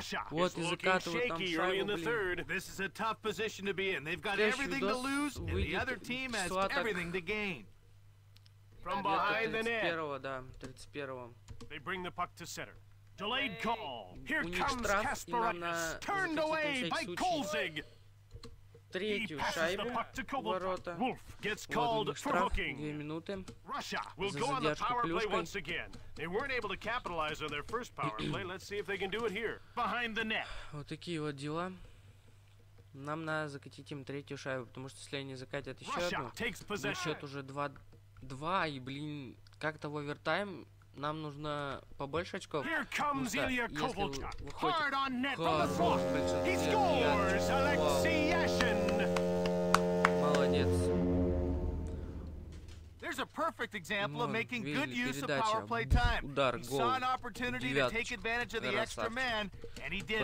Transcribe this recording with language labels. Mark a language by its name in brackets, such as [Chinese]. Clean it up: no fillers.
[Russian] Вот и закатывают там шайбу, блин. [English] This is a tough position to be in. They've got everything to lose, and the other team has everything to gain. From behind the net. [Russian] 31-го, да, 31-го. [English] They bring the puck to center. Delayed call. Here comes Kasparaitis. Turned away by Kolzig. [Russian] Третью шайбу в ворота. Вот у них штраф, 2 минуты за задержку плюшкой. [English] They weren't able to capitalize on their first power play. Let's see if they can do it here. Behind the net. [Russian] Вот такие вот дела. Нам надо закатить им третью шайбу, потому что если они закатят еще одну, счет уже 2-2, и, блин, как-то в овертайм нам нужно побольше очков. [English] Here comes Ilya Kovalchuk. Hard on net from the slot. He scores. Alexei Yashin. [Russian] Молодец. [English] There's a perfect example of making good use of power play time. [Russian] Удар, гол. [English] Saw an opportunity to take advantage of the extra man, and he did it.